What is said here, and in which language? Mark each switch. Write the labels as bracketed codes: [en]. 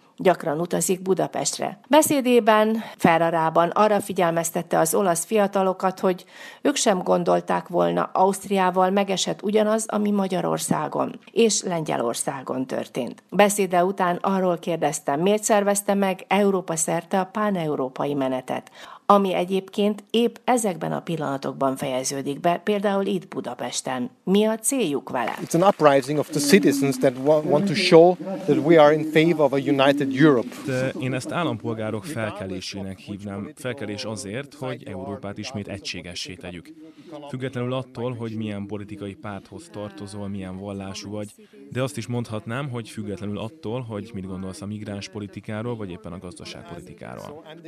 [hu] Gyakran utazik Budapestre. Beszédében Ferrarában arra figyelmeztette az olasz fiatalokat, hogy ők sem gondolták volna, Ausztriával megesett ugyanaz, ami Magyarországon és Lengyelországon történt. Beszéde után arról kérdeztem, miért szervezte meg Európa szerte a páneurópai menetet. ami egyébként épp ezekben a pillanatokban fejeződik be, például itt Budapesten. Mi a céljuk vele? [en] It's an uprising of the citizens that want to show that we are in favor of a united Europe. [hu] De én ezt állampolgárok felkelésének hívnám. Felkelés azért, hogy Európát ismét egységessé tegyük. Függetlenül attól, hogy milyen politikai párthoz tartozol, milyen vallású vagy, de azt is mondhatnám, hogy függetlenül attól, hogy mit gondolsz a migráns politikáról, vagy éppen a gazdaságpolitikáról.